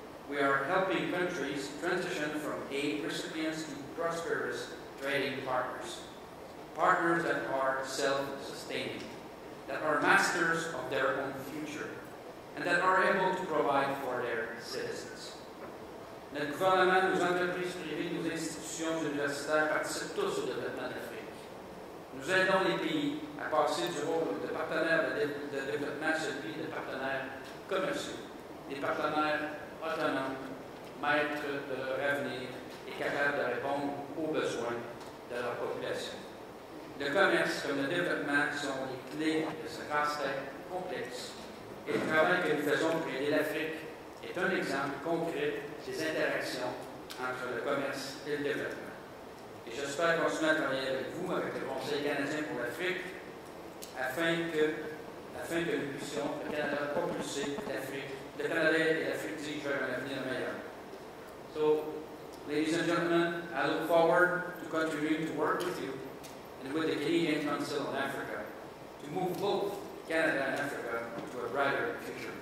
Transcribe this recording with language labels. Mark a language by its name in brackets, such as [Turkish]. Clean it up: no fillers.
[English] We are helping countries transition from aid recipients to prosperous trading partners. Partners that are self-sustaining, that are masters of their own future, and that are able to provide for their citizens. [French] Le gouvernement, nos entreprises privées, nos institutions universitaires participent tous au développement d'Afrique. Nous aidons les pays à passer du rôle de partenaires de développement à celui de partenaires commerciaux, des partenaires autonomes, maîtres de leur avenir et capables de répondre aux besoins de leur population. Le commerce comme le développement sont les clés de ce casse-tête complexe. Et le travail que nous faisons pour aider l'Afrique est un exemple concret des interactions entre le commerce et le développement. Et j'espère continuer à travailler avec vous, avec le Conseil canadien pour l'Afrique, afin que nous puissions, le Canada, propulser l'Afrique, le Canada et l'Afrique dirigent vers un avenir meilleur. [English] So, ladies and gentlemen, I look forward to continuing to work with you and with the Canadian Council on Africa to move both Canada and Africa to a brighter future.